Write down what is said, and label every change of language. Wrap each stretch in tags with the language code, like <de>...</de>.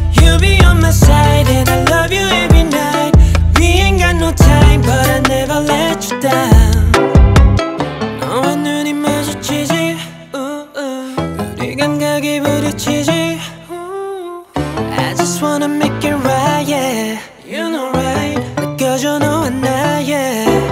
<en>You be on my side and I love you every night. We ain't got no time, but I never let you down.</en> <ko>너와 눈이 마주치지, ooh, ooh. 우리 감각이 부딪히지,</ko> <en>ooh. I just wanna make it right, yeah. You know right,</en> <ko>느껴져 너와 나,</ko> <en>yeah.</en>